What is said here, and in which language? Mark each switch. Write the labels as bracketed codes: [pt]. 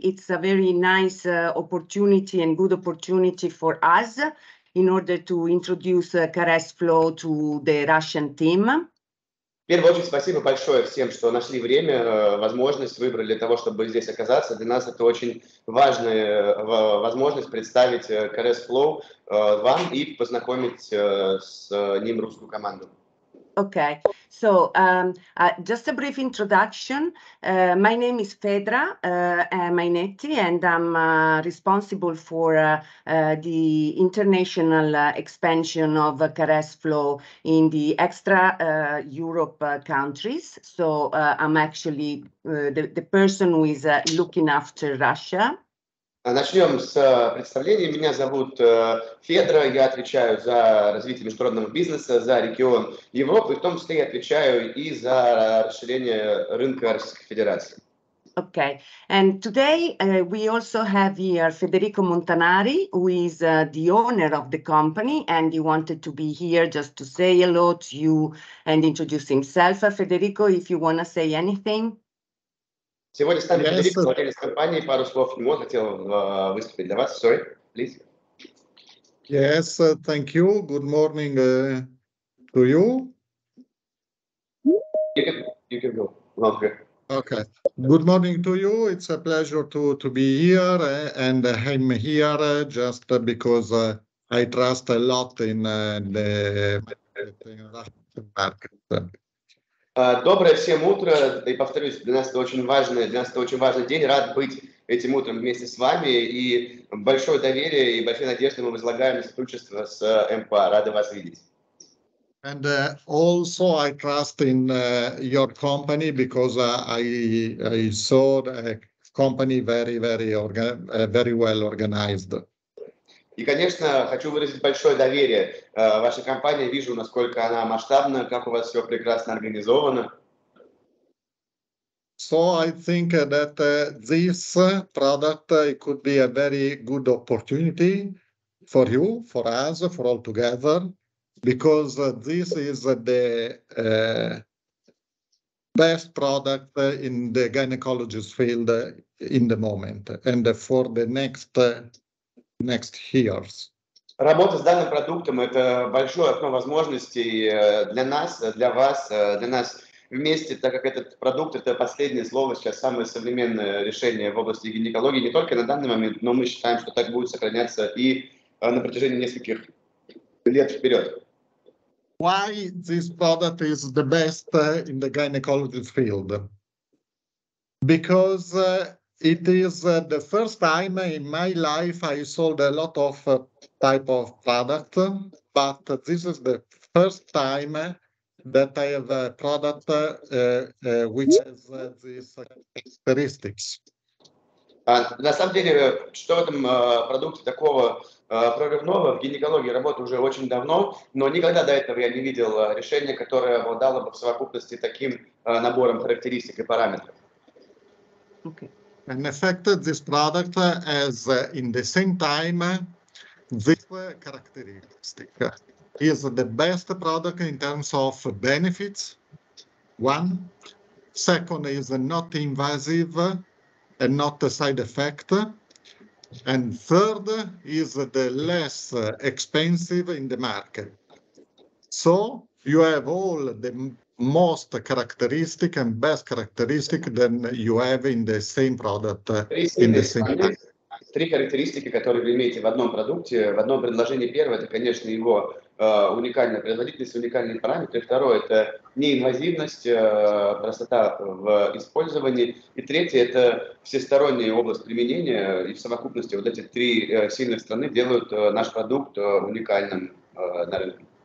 [en] It's a very nice opportunity and good opportunity for us in order to introduce Caress Flow to the Russian team. [ru] В первую очередь, спасибо большое всем, что нашли время, возможность выбрали для того, чтобы здесь оказаться. Для нас это очень важная возможность представить Caress Flow вам и познакомить с ним русскую команду. [en] Okay, so just a brief introduction. My name is Fedra Mainetti, and I'm responsible for the international expansion of Caress Flow in the extra Europe countries. So I'm actually the person who is looking after Russia. [ru] Начнем с представления. Меня зовут Федра, я отвечаю за развитие международного бизнеса, за регион Европы, в том числе я отвечаю и за расширение рынка Российской Федерации. [en] Okay, and today we also have here Federico Montanari, who is the owner of the company, and he wanted to be here just to say hello to you and introduce himself. Federico, if you want to say anything. [ru] Сегодня с нами Федерико, владелец компании, пару слов ему хотел выступить для вас. [en] Sorry, please. Yes, thank you. Good morning to you. You can go. Okay. Okay. Good morning to you. It's a pleasure to be here, and I'm here just because I trust a lot in the Russian market. [ru] Доброе всем утро, и повторюсь, для нас это очень важный, для нас это очень важный день, рад быть этим утром вместе с вами, и большое доверие и большие надежды мы возлагаем на сотрудничество с МПА, рады вас видеть. [en] And also I trust in your company, because I saw the company very well organized. [ru] И, конечно, хочу выразить большое доверие вашей компании. Вижу, насколько она масштабна, как у вас все прекрасно организовано. [en] So I think that this product could be a very good opportunity for you, for us, for all together, because this is the best product in the gynecologist field in the moment and for the next. Next years. [ru] Работа с данным продуктом – это большое окно возможностей для нас, для вас, для нас вместе, так как этот продукт – это последнее слово, сейчас самое современное решение в области гинекологии, не только на данный момент, но мы считаем, что так будет сохраняться и на протяжении нескольких лет вперед. [en] Why this product is the best in the gynecology field? Because it is the first time in my life I sold a lot of type of product, but this is the first time that I have a product which has these characteristics. [ru] На самом деле, что в этом продукте такого прорывного? В гинекологии работаю уже очень давно, но никогда до этого я не видел решение, которое обладало бы в совокупности таким набором характеристик и параметров. [en] Okay. In effect, this product has, in the same time, this characteristic. Is the best product in terms of benefits, one. Second, is not invasive and not a side effect. And third, is the less expensive in the market. So you have all the most characteristic and best characteristic than you have in the same product in the same time. [ru] Три характеристики, которые вы имеете в одном продукте, в одном предложении. Первое, это, конечно, его уникальная производительность, уникальные параметры. Второе, это неинвазивность, простота в использовании. И третье, это всесторонняя область применения. И в совокупности вот эти три сильных стороны делают наш продукт уникальным на рынке.